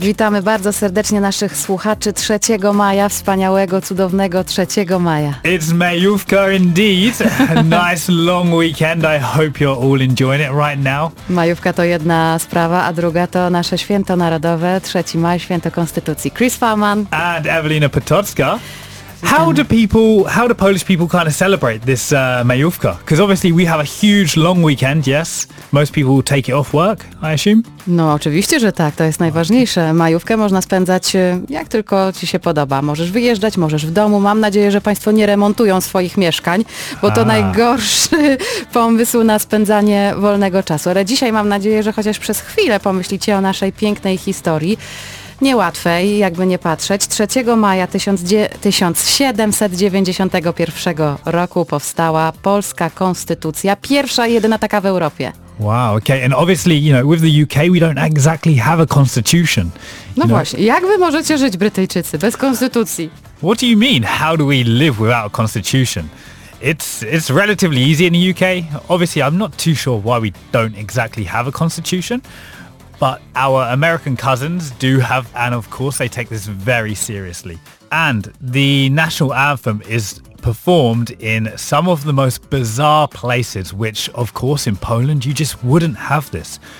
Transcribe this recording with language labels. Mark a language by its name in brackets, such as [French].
[Polish] Witamy bardzo serdecznie naszych słuchaczy 3 maja, wspaniałego, cudownego 3 maja. [English] It's Majówka indeed. A nice long weekend. I hope you're all enjoying it right now. [Polish] Majówka to jedna sprawa, a druga to nasze święto narodowe, 3 maja, święto Konstytucji. [English] Chris Farman. And Ewelina Potocka. How do Polish people kind of celebrate this Majówka? Because obviously we have a huge long weekend, yes. Most people will take it off work, I assume. [Polish] No oczywiście, że tak, to jest najważniejsze. Majówkę można spędzać jak tylko ci się podoba. Możesz wyjeżdżać, możesz w domu. Mam nadzieję, że państwo nie remontują swoich mieszkań, bo to najgorszy pomysł na spędzanie wolnego czasu. Ale dzisiaj mam nadzieję, że chociaż przez chwilę pomyślicie o naszej pięknej historii. Niełatwej, jakby nie patrzeć. 3 maja 1791 roku powstała polska konstytucja. Pierwsza i jedyna taka w Europie. [English] Wow, okay. And obviously, you know, with the UK we don't exactly have a constitution. [Polish] No właśnie, jak wy możecie żyć, Brytyjczycy, bez konstytucji? [English] What do you mean? How do we live without a constitution? It's relatively easy in the UK. Obviously, I'm not too sure why we don't exactly have a constitution. But our American cousins do have, and of course they take this very seriously. And the national anthem is performed in some of the most bizarre places, which of course in Poland you just wouldn't have this.